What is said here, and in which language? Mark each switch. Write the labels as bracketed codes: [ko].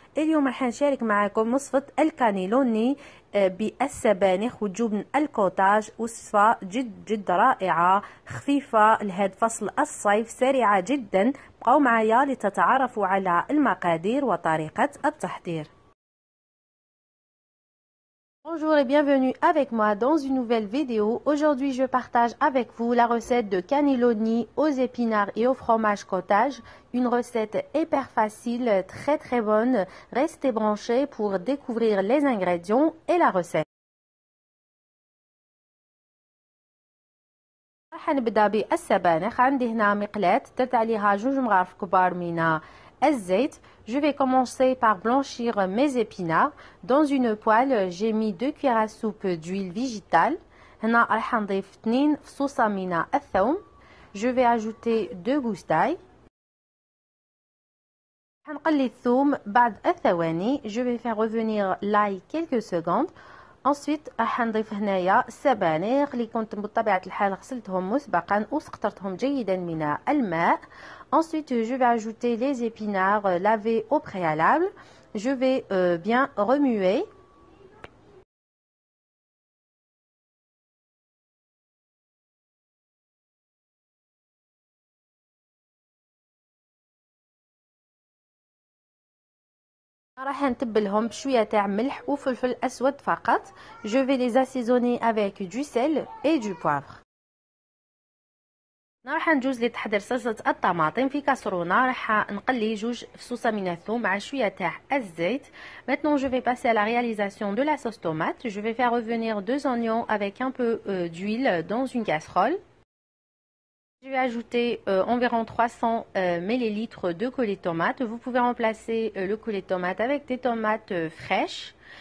[ar] اليوم رح نشارك معكم وصفة الكانيلوني بالسبانخ وجبن الكوتاج، وصفة جد جد رائعة خفيفة لهذا فصل الصيف، سريعة جدا. بقوا معايا لتتعرفوا على المقادير وطريقة التحضير. [fr] Bonjour et bienvenue avec moi dans une nouvelle vidéo. Aujourd'hui, je partage avec vous la recette de cannelloni aux épinards et au fromage cottage. Une recette hyper facile, très très bonne. Restez branchés pour découvrir les ingrédients et la recette. [ar] راح نبدأ بالسبانخ. عندي هنا مقلات درت عليها جوج مغارف كبار من الزيت. [fr] Je vais commencer par blanchir mes épinards. Dans une poêle, j'ai mis 2 cuillères à soupe d'huile végétale. [ar] هنا راح نضيف 2 فصوصة من الثوم. [fr] Je vais ajouter 2 gousses d'ail. [ar] راح نقلي الثوم بعد الثواني. [fr] Je vais faire revenir l'ail quelques secondes. Ensuite, [ar] راح نضيف هنايا السبانخ اللي كنت بطبيعة الحال غسلتهم مسبقا وسقطرتهم جيدا من الماء. [fr] Ensuite, je vais ajouter les épinards lavés au préalable. Je vais bien remuer. [ar] راح نتبلهم بشويه تاع ملح وفلفل اسود فقط. [fr] Je vais les assaisonner avec du sel et du poivre. [ar] راح نجوز لتحضير صلصه الطماطم. في كاسرونه راح نقلي جوج فصوصه من الثوم مع شويه تاع الزيت. [fr] Maintenant, je vais passer à la réalisation de la sauce tomate. Je vais faire revenir 2 oignons avec un peu d'huile dans une casserole. Je vais ajouter environ 300 ml de coulis de tomate. Vous pouvez remplacer le coulis de tomate avec des tomates fraîches.